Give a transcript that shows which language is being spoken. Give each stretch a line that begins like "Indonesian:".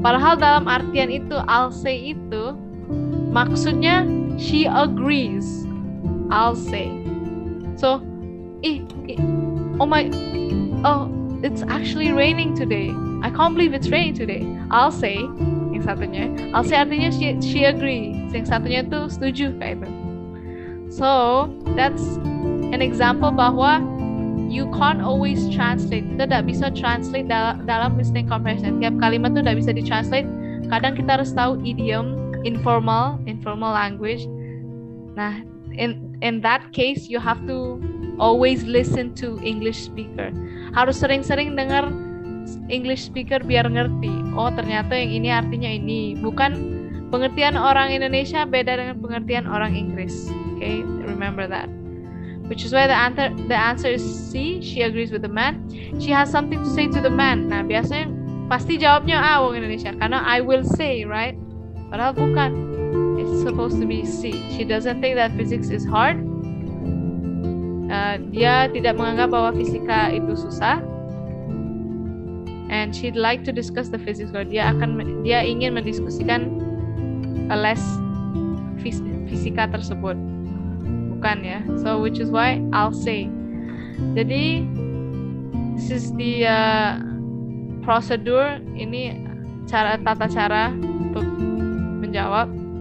Indonesian: Padahal dalam artian itu,
English: I'll say
Indonesian: itu, maksudnya,
English: she agrees. I'll say. So, it's actually raining today. I can't believe it's raining today. I'll say,
Indonesian: yang satunya.
English: I'll say
Indonesian: artinya
English: she agrees.
Indonesian: Yang satunya itu setuju, kayak itu.
English: So, that's an example
Indonesian: bahwa
English: you can't always translate.
Indonesian: Kita tidak bisa translate dalam listening comprehension. Tiap kalimat itu tidak bisa di-translate. Kadang kita harus tahu idiom, informal language.
English: Nah, in that case, you have to always listen to English speaker.
Indonesian: Harus sering-sering dengar English speaker biar ngerti. Oh, ternyata yang ini artinya ini. Bukan pengertian orang Indonesia beda dengan pengertian orang Inggris.
English: Okay, remember that. Which is why the answer is C. She agrees with the man. She has something to say to the man.
Indonesian: Nah, biasanya pasti jawabnya A, orang Indonesia. Karena
English: I will say, right?
Indonesian: Padahal bukan.
English: It's supposed to be C. She doesn't think that physics is hard.
Indonesian: Dia tidak menganggap bahwa fisika itu susah.
English: And she'd like to discuss the physics.
Indonesian: Dia ingin mendiskusikan less fisika tersebut. Bukan ya,
English: so which is why I'll say.
Indonesian: Jadi
English: this is the procedure,
Indonesian: ini cara tata cara untuk menjawab.